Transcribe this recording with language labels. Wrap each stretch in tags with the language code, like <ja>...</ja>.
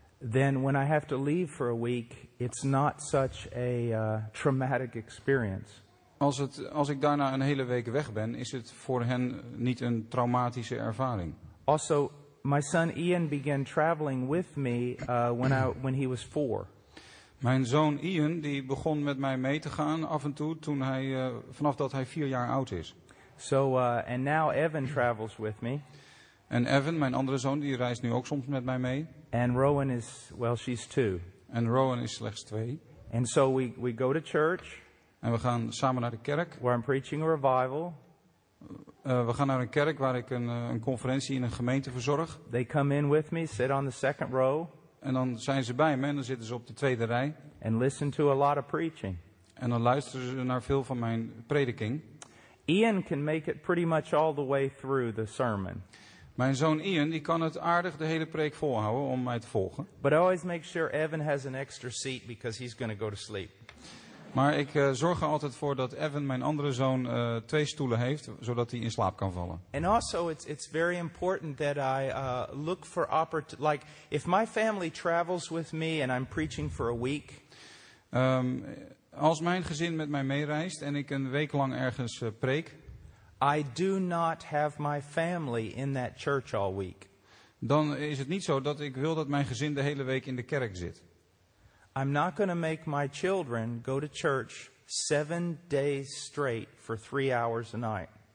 <en>Then when I have to leave for a week, it's not such a traumatic experience.</en> <nl>Als ik daarna een hele week weg ben, is het voor hen niet een traumatische ervaring.</nl> <en>Also, my son Ian began traveling with me when he was 4.</en> <nl>Mijn zoon Ian die begon met mij mee te gaan af en toe toen hij vanaf dat hij 4 jaar oud is.</nl> <en>And now Evan travels with me.</en> <nl>En Evan, mijn andere zoon, die reist nu ook soms met mij mee.</nl> <en>And Rowan is, well, she's 2.</en> <nl>En Rowan is slechts 2.</nl> <en>And so we go to church.</en> <nl>En we gaan samen naar de kerk.</nl> <en>Where I'm preaching a revival.</en> <nl>We gaan naar een kerk waar ik een conferentie in een gemeente verzorg.</nl> <en>They come in with me, sit on the second row.</en> <nl>En dan zijn ze bij me en dan zitten ze op de tweede rij.</nl> <en>And listen to a lot of preaching.</en> <nl>En dan luisteren ze naar veel van mijn prediking.</nl> <en>Ian can make it pretty much all the way through the sermon.</en> <nl>Mijn zoon Ian die kan het aardig de hele preek volhouden om mij te volgen.</nl> <en>But I always make sure Evan has an extra seat because he's going to go to sleep.</en> <nl>Maar ik zorg er altijd voor dat Evan, mijn andere zoon, 2 stoelen heeft, zodat hij in slaap kan vallen.</nl> <en>And also it's very important that I look for opportunities. Like if my family travels with me and I'm preaching for a week.</en> <nl>Als mijn gezin met mij meereist en ik een week lang ergens preek.</nl> <en>I do not have my family in that church all week.</en> <nl>Dan is het niet zo dat ik wil dat mijn gezin de hele week in de kerk zit.</nl> <en>I'm not going to make my children go to church 7 days straight for 3 hours a night.</en>